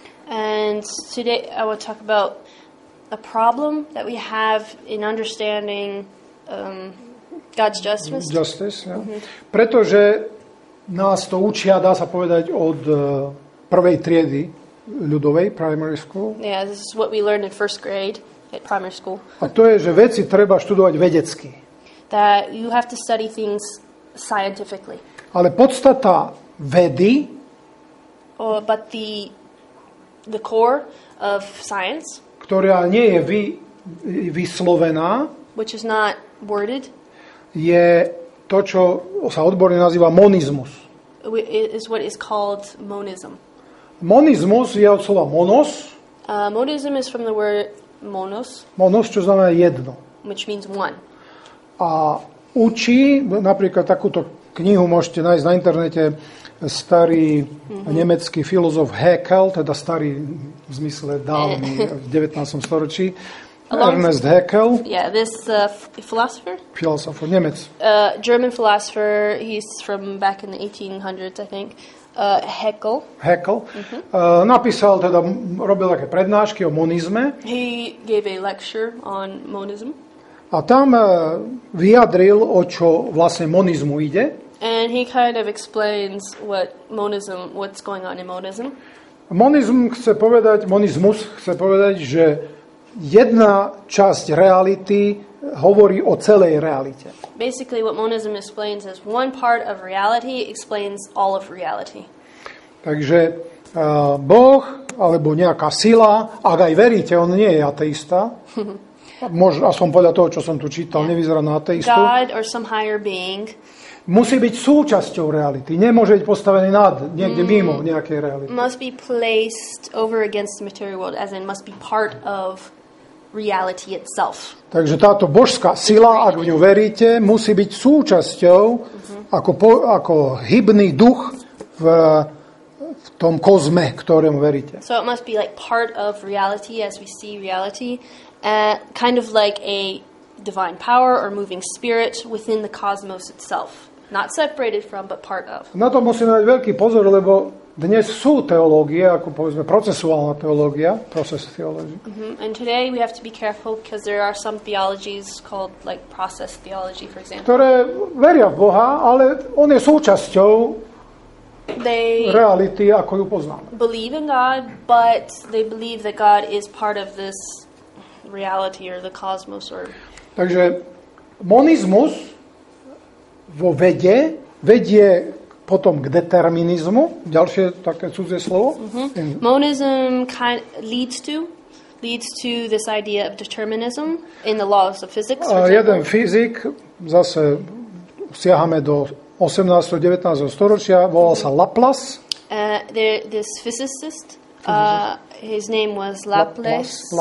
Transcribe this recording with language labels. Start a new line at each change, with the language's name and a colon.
English: And today I will talk about a problem that we have in understanding God's justice. Justice, yeah.
Slovak: Mm-hmm. Pretože nás to učia, dá sa povedať, od prvej triedy ľudovej,
English: primary school. Yeah, this is what we learned in first grade at primary school.
Slovak: A to je, že veci treba študovať vedecky.
English: That you have to study things scientifically.
Slovak: Ale podstata vedy
English: but the core of science,
Slovak: ktorá nie je vyslovená,
English: which is not worded,
Slovak: je to, čo sa odborne nazýva monizmus.
English: Is what is called monism.
Slovak: Monizmus je od slova monos.
English: Monism is from the word monos.
Slovak: Monos, čo znamená jedno.
English: Which means one.
Slovak: A učí, napríklad takúto knihu môžete nájsť na internete, starý nemecký filozof Haeckel, teda starý v zmysle dávny v 19. storočí,
English: Ernest Haeckel. Yeah, this philosopher. Philosopher, Nemec. German philosopher. He's from back in the 1800s, I think. Haeckel.
Slovak: Haeckel. Mm-hmm. Napísal teda, robil také prednášky o monizme.
English: He gave a lecture on monism.
Slovak: A tam vyjadril, o čo vlastne monizmu ide.
English: And he kind of explains what monism, what's going on in monism.
Slovak: Monizmus chce povedať, že jedna časť reality hovorí o celej realite.
English: Basically what monism explains is one part of reality explains all of reality.
Slovak: Takže Boh alebo nejaká sila, ak aj veríte, on nie je ateista. A som podľa toho, čo som tu čítal, nevyzerá na ateistu.
English: God or some higher being.
Slovak: Musí byť súčasťou reality. Nemôže byť postavený nad, niekde mimo nejakej reality.
English: Must be placed over against the material world, as in must be part of reality itself.
Slovak: Takže táto božská sila, ak v ňu veríte, musí byť súčasťou, ako hybný duch v tom kozme, ktorému veríte.
English: So it must be like part of reality as we see reality, kind of like a divine power or moving spirit within the cosmos itself. Not separated from, but part of.
Slovak: Na to musíme dať veľký pozor, lebo dnes sú teológie, ako povedzme procesuálna teológia,
English: process theology. And today we have to be careful because there are some theologies called like process theology, for example.
Slovak: Ktoré veria v Boha, ale on je súčasťou reality, ako ju poznáme.
English: They believe in God, but they believe that God is part of this reality or the cosmos.
Slovak: Takže monizmus vo vede vedie potom k determinizmu, ďalšie také cudzie slovo. Mm-hmm.
English: Monism kind of leads to this idea of determinism in the laws of physics.
Slovak: Jeden fyzik, zase siahame do 18. 19. storočia, volal sa Laplace.
English: This physicist, his name was Laplace.